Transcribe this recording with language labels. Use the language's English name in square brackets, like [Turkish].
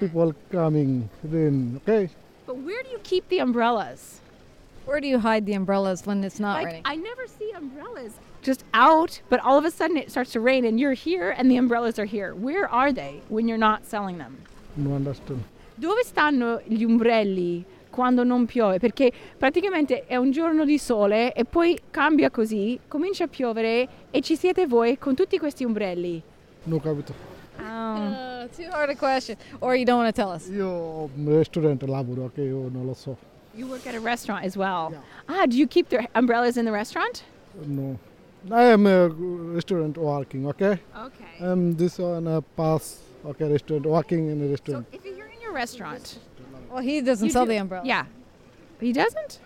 [English] People coming, rain, okay? But where do you keep the umbrellas? Where do you hide the umbrellas when it's not like, raining? I never see umbrellas just out, but all of a sudden it starts to rain and you're here and the umbrellas are here. Where are they when you're not selling them? Non understand. [Italian] Dove stanno gli umbrelli quando non piove? Perché praticamente è un giorno di sole e poi cambia così, comincia a piovere e ci siete voi con tutti questi umbrelli. No, capito. [English] Too hard a question. Or you don't want to tell us. [Italian] Io restaurante lavoro, okay, io non lo so. [English] You work at a restaurant as well. Yeah. Ah, do you keep the umbrellas in the restaurant? No. I am a restaurant working, okay? Okay. This one, a pass, okay, restaurant, working in a restaurant. So if you're in your restaurant. Well, he doesn't sell the umbrella. Yeah. He doesn't?